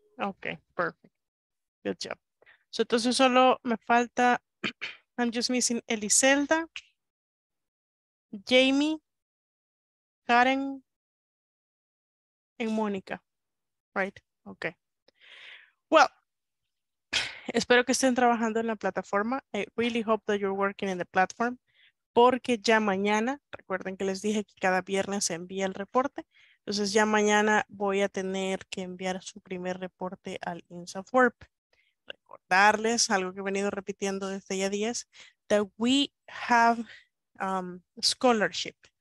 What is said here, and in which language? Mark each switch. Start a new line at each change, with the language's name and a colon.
English: Okay, perfect. Good job. So
Spanish: entonces solo me falta,
English: I'm just missing Eliselda, Jamie, Karen, and Mónica. Right? Okay.
Spanish: Well, espero que estén trabajando en la plataforma.
English: I really hope that you're working in the platform.
Spanish: Porque ya mañana, recuerden que les dije que cada viernes se envía el reporte. Entonces ya mañana voy a tener que enviar su primer reporte al INSAFWERP. Recordarles algo que he venido repitiendo desde ya días.
English: That we have scholarship.